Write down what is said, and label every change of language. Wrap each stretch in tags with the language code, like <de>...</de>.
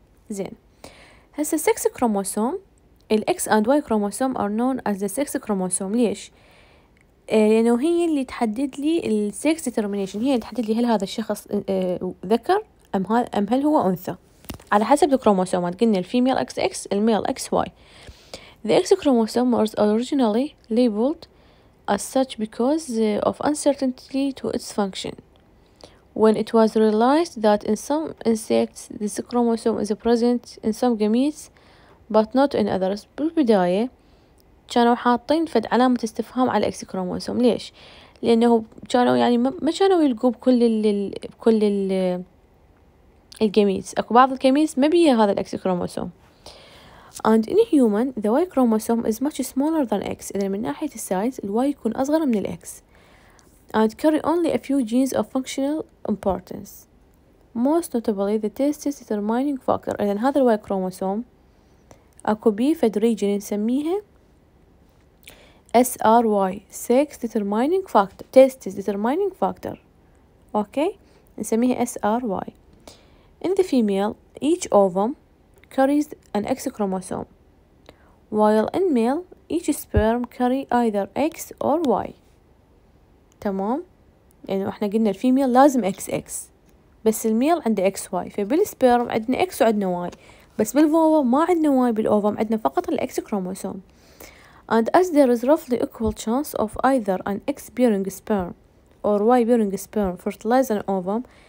<ar>زين هسا</ar> <en>السكس كروموسوم الاكس and Y chromosome are known as the sex chromosome.</en> <ar>ليش؟ لانه هي اللي تحدد لي السكس ديترمينيشن هي اللي تحدد لي هل هذا الشخص ذكر أم هل هو أنثى على حسب الكروموسومات. قلنا الفيميل اكس اكس الميل اكس واي.</ar> <en>The X chromosome was originally labeled as such because of uncertainty to its function when it was realized that in some insects this chromosome is present in some gametes but not in others.</en> <ar>بالبداية كانوا حاطين فد علامة استفهام على X chromosome. ليش؟ لأنه كانوا يعني ما كانوا يلقوا بكل الجميز. أكو بعض الجميز ما بيها هذا الأكس كروموسوم.</ar> <en>And in human the Y chromosome is much smaller than X.</en> <ar>إذا من ناحية السايز الواي يكون أصغر من الأكس.</ar> <en>And carry only a few genes of functional importance. Most notably the testis determining factor.</en> <ar>إذا هذا الواي كروموسوم أكو بيه فد ريجن نسميها SRY sex determining factor testis determining factor. أوكي نسميها SRY.</ar> <en>In the female, each ovum carries an X chromosome, while in male, each sperm carry either X or Y.</en> <ar>تمام؟ يعني إحنا قلنا الفيميل لازم XX، بس الميل عنده XY. فبالسبرم عندنا X وعندنا Y، بس بالفوا ما عندنا Y بالأوفم عندنا فقط الX chromosome.</ar> <en>And as there is roughly equal chance of either an X-bearing sperm or Y-bearing sperm fertilize an ovum.</en>